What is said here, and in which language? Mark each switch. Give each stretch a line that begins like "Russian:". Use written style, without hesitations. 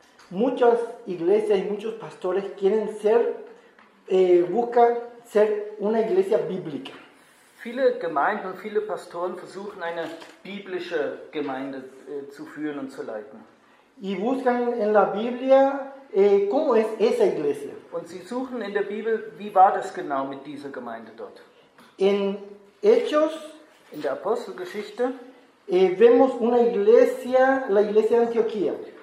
Spanish: Muchas iglesias y muchos pastores quieren ser, buscan ser una iglesia bíblica.
German: Viele Gemeinden und viele Pastoren versuchen eine biblische Gemeinde zu führen und zu leiten.
Spanish: Y buscan en la Biblia, cómo es esa iglesia.
German: Und sie suchen in der Bibel, wie war das genau mit dieser Gemeinde dort?
Spanish: In Hechos,
German: in der Apostelgeschichte,
Spanish: vemos una iglesia, la iglesia de Antioquía.